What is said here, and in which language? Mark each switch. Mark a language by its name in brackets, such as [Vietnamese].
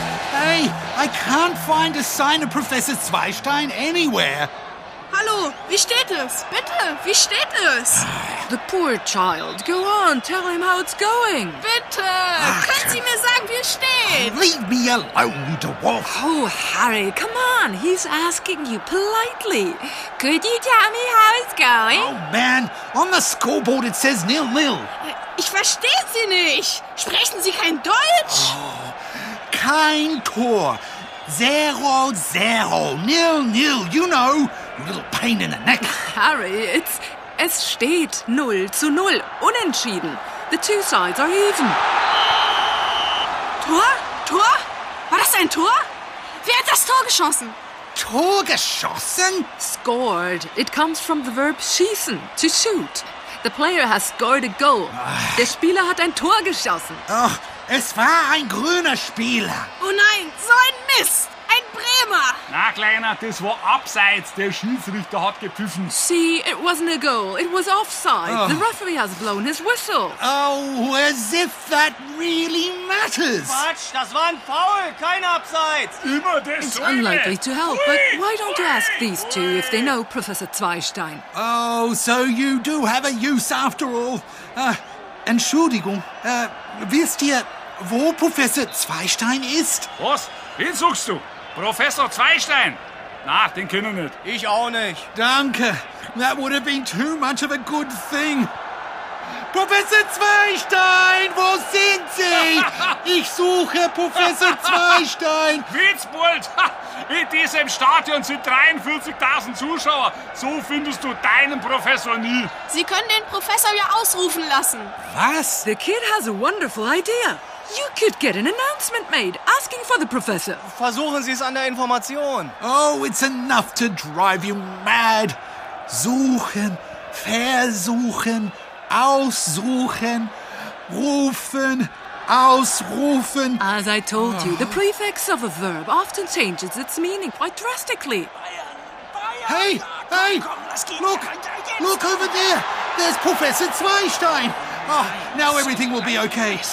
[English] Hey, I can't find a sign of Professor Zweistein anywhere. [German] Hallo, wie steht es? Bitte, wie steht es? [English] The poor child. Go on, tell him how it's going. [German] Bitte, können Sie mir sagen, wie es steht? [English] Leave me alone, little wolf. Oh, Harry, come on. He's asking you politely. Could you tell me how it's going? Oh, man, on the scoreboard it says nil-nil. [German] Ich verstehe Sie nicht. Sprechen Sie kein Deutsch? [English] Oh, [German] kein Tor. [English] Zero, zero. Nil-nil, you know. A little pain in the neck. Harry, it's... [German] Es steht 0 zu 0, unentschieden. [English] The two sides are even. [German] Tor? Tor? War das ein Tor? Wer hat das Tor geschossen? Tor geschossen? [English] Scored. It comes from the verb schießen, to shoot. The player has scored a goal. [German] Der Spieler hat ein Tor geschossen. Oh, es war ein grüner Spieler. Oh nein, so ein Mist. Ein Bremer! Na, Kleiner, das war abseits. Der Schiedsrichter hat gepfiffen. [English] See, it wasn't a goal. It was offside. Oh. The referee has blown his whistle. Oh, as if that really matters. [German] Quatsch, das war ein Foul. Kein abseits. Immer das [English] It's unlikely to help, but why don't you ask these two if they know Professor Zweistein? Oh, so you do have a use after all. [German] Entschuldigung, wisst ihr, wo Professor Zweistein ist? Was? Wen suchst du? Professor Zweistein? Na, den kennen wir nicht. Ich auch nicht. Danke. [English] That would have been too much of a good thing. Professor Zweistein, [German] wo sind Sie? Ich suche Professor Zweistein. Witzbold, in diesem Stadion sind 43.000 Zuschauer. So findest du deinen Professor nie. Sie können den Professor ja ausrufen lassen. Was? [English] The kid has a wonderful idea. You could get an announcement made, asking for the professor. [German] Versuchen Sie es an der Information. [English] Oh, it's enough to drive you mad. [German] Suchen, versuchen, aussuchen, rufen, ausrufen. [English] As I told you, the prefix of a verb often changes its meaning quite drastically. Hey, hey, look over there. There's Professor Zweistein. Oh, now everything will be okay.